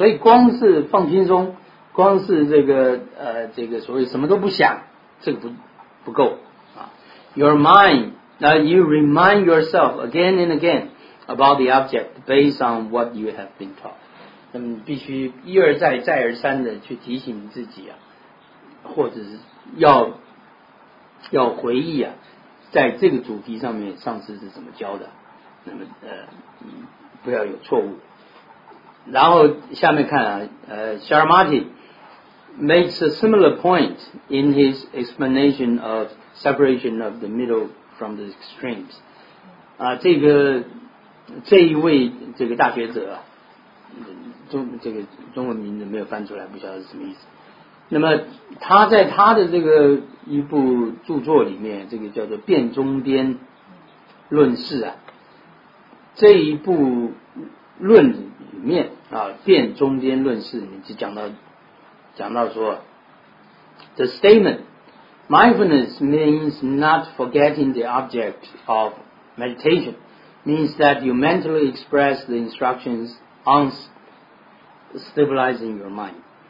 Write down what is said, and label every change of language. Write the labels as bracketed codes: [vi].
[zh] 所以光是放心中，光是这个这个所谓什么都不想，这个不够啊。 [en] Your mind, now you remind yourself again and again about the object based on what you have been taught。 [zh] 那么必须一而再、再而三的去提醒自己啊，或者是要回忆啊，在这个主题上面上师是怎么教的。那么不要有错误。然后下面看啊， [en] Sharmati makes a similar point in his explanation of separation of the middle from the extremes。 [zh] 这一位这个大学者啊，这个中文名字没有翻出来，不晓得是什么意思。那么他在他的这个一部著作里面，这个叫做《辩中边论释》啊，这一部论里面啊，《辩中边论释》里面就讲到说 ， [en] the statement mindfulness means not forgetting the object of meditation means that you mentally express the instructions on stabilizing your mind。